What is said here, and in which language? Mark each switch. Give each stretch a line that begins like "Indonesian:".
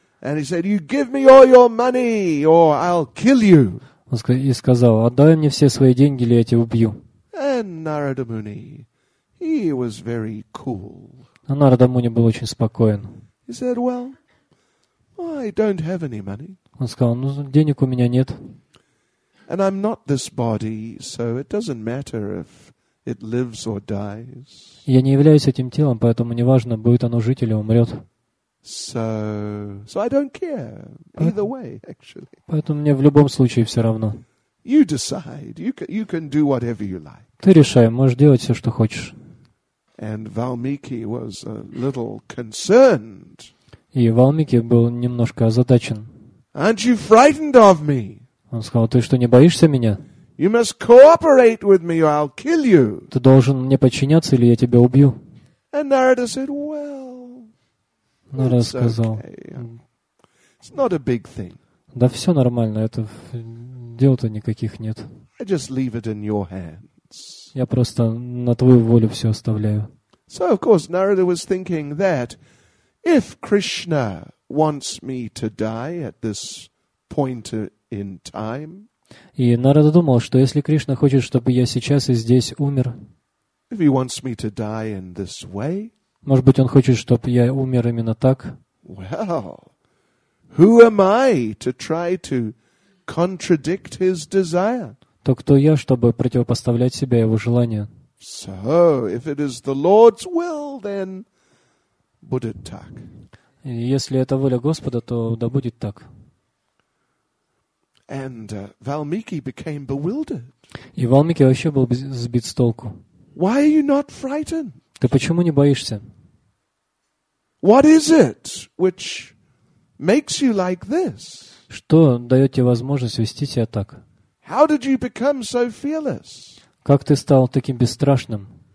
English: And he said, "You give me all your money, or I'll kill you."
Russian: И сказал: отдай мне все свои деньги, или я тебя убью.
English: And Narada Muni, he was very cool.
Russian: А Нарада Муни был очень спокоен.
English: He said, "Well, I don't have any money."
Russian: Он сказал: ну, денег у меня нет.
English: And I'm not this body, so it doesn't matter if it lives or dies.
Russian: Я не являюсь этим телом, поэтому не важно, будет оно жить или умрет.
English: So I don't care either way, actually.
Russian: Поэтому мне в любом случае все равно.
English: You decide. You can do whatever you like.
Russian: Ты решай, можешь делать все, что хочешь.
English: And Valmiki was a little concerned.
Russian: И Валмики был немножко озадачен.
English: Aren't you frightened of me?
Russian: Он сказал: ты что, не боишься меня?
English: You must cooperate with me, or I'll kill you.
Russian: Ты должен мне подчиняться, или я тебя убью.
English: And Narada said, well.
Russian: Нарада сказал:
English: it's not a big thing.
Russian: Да все нормально, это дел-то никаких нет.
English: I just leave it in your hands.
Russian: Я просто на твою волю все оставляю.
English: So of course Narada was thinking that if Krishna wants me to die at this point in time.
Russian: И Нарада думал, что если Кришна хочет, чтобы я сейчас и здесь умер.
English: If he wants me to die in this way.
Russian: Может быть, он хочет, чтобы я умер именно так?
English: Well, who am I to try to contradict his desire?
Russian: То кто я, чтобы противопоставлять себя его желанию?
English: So, if it is the Lord's will, then
Russian: будет так. Если это воля Господа, то да будет так.
English: And Valmiki became bewildered.
Russian: И Валмики вообще был сбит с толку.
English: Why are you not frightened?
Russian: Ты почему не боишься?
English: What is it which makes you like this?
Russian: Что дает тебе возможность вести себя так?
English: How did you become so fearless?
Russian: Как ты стал таким бесстрашным?